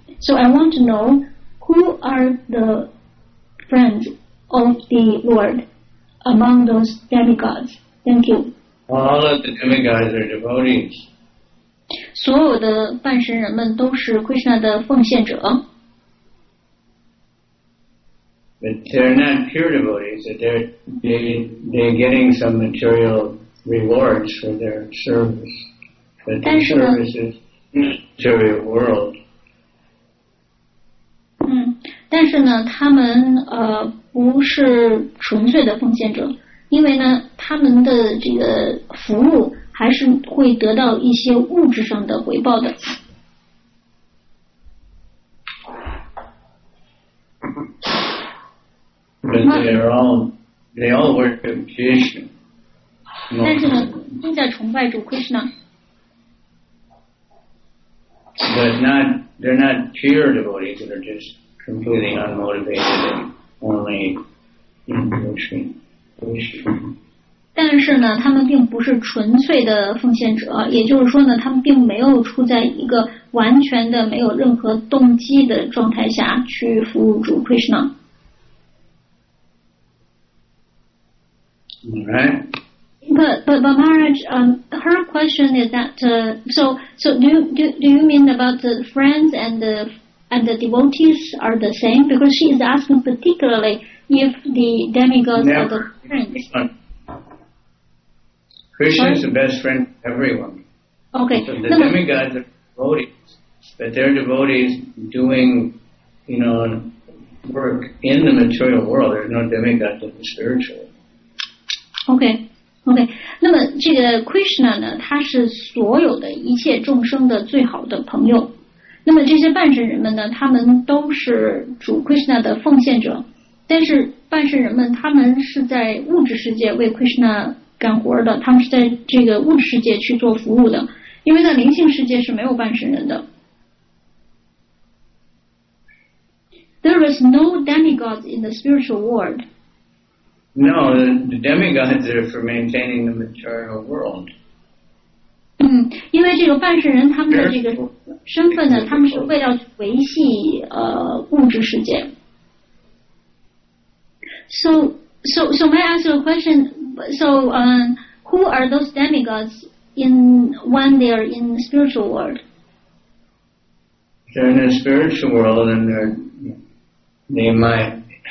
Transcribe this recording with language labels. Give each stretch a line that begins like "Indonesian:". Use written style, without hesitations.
English: So I want to know who are the friends.Of the Lord among those demigods. Thank you. All of the demigods are devotees.
Chinese: 所有的半神人们都是 Krishna 的奉献者。
English: But they're not pure devotees. They're getting some material rewards for their service. But their service is in the material world.
Chinese: 但是呢，他们不是纯粹的奉献者，因为呢，他们的这个服务还是会得到一些物质上的回报的。
English: They all worship Krishna.
Chinese: 但是呢，都在崇拜主 Krishna。
English: They're not pure devotees. They're just completely unmotivated and only worshiping Krishna.
Chinese: 但是呢，他们并不是纯粹的奉献者，也就是说呢，他们并没有处在一个完全的没有任何动机的状态下去服务主 Krishna。
English: All right. But Maharaj, her question is that so do you mean about the friends and the devotees are the same? Because she is asking particularly if the demigods Never. Are the friends. Krishna is the best friend of everyone. Okay. So the demigods are devotees, but they're devotees doing, you know, work in the material world. There's no demigods in the spiritual world.
Chinese: OK, 那么这个 Krishna 呢，他是所有的一切众生的最好的朋友。那么这些半神人们呢，他们都是主 Krishna 的奉献者。但是半神人们他们是在物质世界为 Krishna 干活的，他们是在这个物质世界去做服务的，因为在灵性世界是没有半神人的。
English: There is no demigods in the spiritual world. No, the demigods are for maintaining the material world.
Chinese: 因为这个半神人他们的这个身份呢，他们是为了维系物质世界。
English: So may I ask you a question? Who are those demigods when they are in the spiritual world? They're in the spiritual world, and they might.